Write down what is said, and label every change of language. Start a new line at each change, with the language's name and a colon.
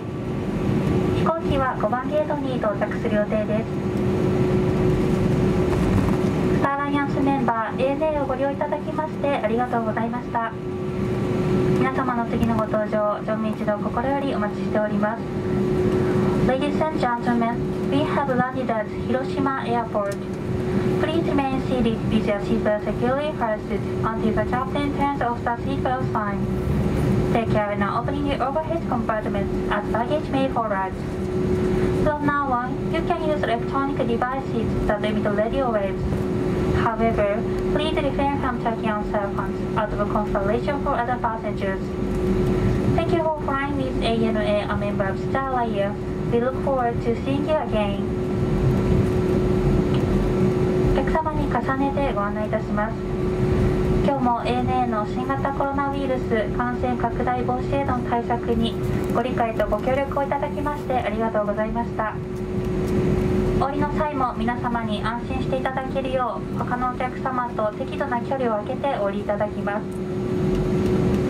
Japanese: 飛行機は5番ゲートに到着する予定です。スターアライアンスメンバー ANA をご利用いただきましてありがとうございました。皆様の次のご搭乗、乗務一同心よりお待ちしております。
English: Ladies and gentlemen, we have landed at Hiroshima Airport. Please remain seated with your seatbelt securely fastened until the captain turns off the seatbelt sign. Take care in opening the overhead compartments as baggage may fall out. From now on, you can use electronic devices that emit radio waves. However, please refrain from talking on cell phones out of consideration for other passengers. Thank you for flying with ANA, a member of Star Alliance. We look forward to seeing you again.
Japanese: お客様に重ねてご案内いたします。今日も ANA の新型コロナウイルス感染拡大防止への対策にご理解とご協力をいただきましてありがとうございました。降りの際も皆様に安心していただけるよう他のお客様と適度な距離を空けてお降りいただきます。